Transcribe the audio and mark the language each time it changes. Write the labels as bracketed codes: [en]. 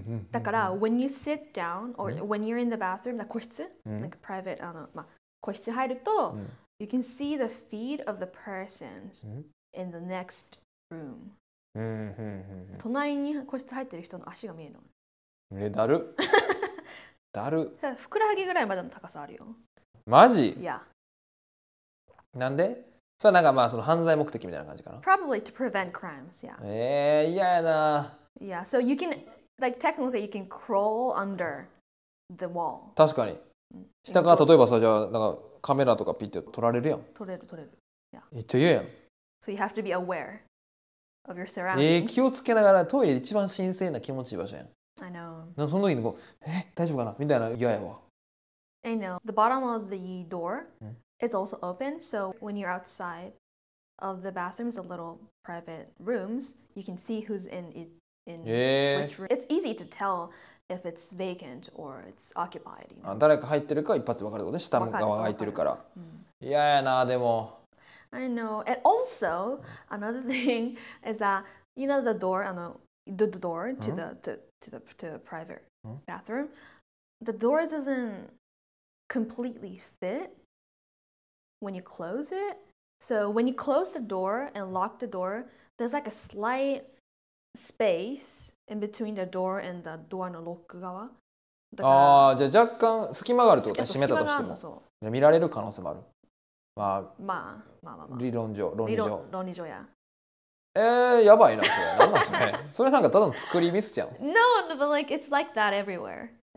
[en] だから、when you sit down or when you're in the bathroom, like 個室、like private, [ja] まあ、個室入ると、 [en] you can see the feet of the person in the next room. [ja] 隣に個室入ってる人の足が見えるの。え、だる。だる。ふくらはぎぐらいまでの高さあるよ。マジ？ [en] Yeah. [ja] なんで？それはなんかまあその犯罪目的みたいな感じかな。 [en] Probably to prevent crimes, yeah. [ja] 嫌やな。 [en] Yeah, so you can, like technically you can crawl under the wall. [ja] 確かに。下から例えばさ、じゃあなんかカメラとかピッて撮られるやん。撮れる。 [en] Yeah. [ja] めっちゃ嫌やん。 [en] So you have to be aware of your surroundings. [ja] 気をつけながらトイレ一番神聖な気持ちいい場所やん。 [en] I know. [ja] なんかその時にこう、え、大丈夫かなみたいな嫌やわ。 [en] I know. The bottom of the door? It's also open, so when you're outside of the bathrooms, the little private rooms, you can see who's in which room. It's easy to tell if it's vacant or it's occupied. You know? [ja] 誰か入ってるか一発で分かるよね。下の側が空いてるから。嫌やな、でも。 [en] I know. And also, another thing is that, you know, the door to the private bathroom, the door doesn't completely fit when you close it. So when you close the door and lock the door, there's like a slight space in between the door and the door [ja] のロック側。ああ、じゃあ若干隙間があるってことね。閉めたとしても。じゃあ見られる可能性もある。まあ、まあ、まあまあまあ。理論上、論理上。論理上や。やばいな、それ。なんなんすね。それなんかただの作りミスじゃん。 [en] No, but like, it's like that everywhere.